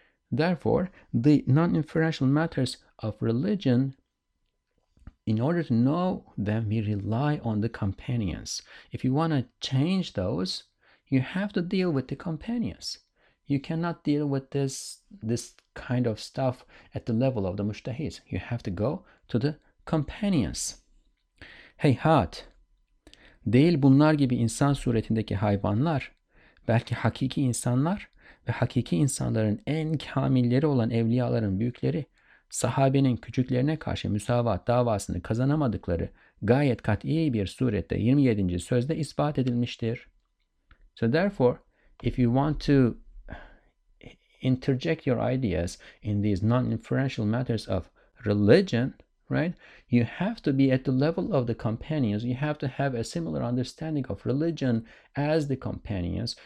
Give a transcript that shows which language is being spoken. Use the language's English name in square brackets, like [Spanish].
[English] Therefore, the non-inferential matters of religion, in order to know them, we rely on the companions. If you want to change those, you have to deal with the companions. You cannot deal with this kind of stuff at the level of the mujtahids. You have to go to the companions. [Turkish] Heyhat! Değil bunlar gibi insan suretindeki hayvanlar, belki hakiki insanlar ve hakiki insanların en kamilleri olan evliyaların büyükleri, sahabenin küçüklerine karşı müsavat davasını kazanamadıkları gayet kat'i bir surette 27. sözde ispat edilmiştir. [English] So therefore, if you want to interject your ideas in these non-inferential matters of religion, right, you have to be at the level of the companions. You have to have a similar understanding of religion as the companions.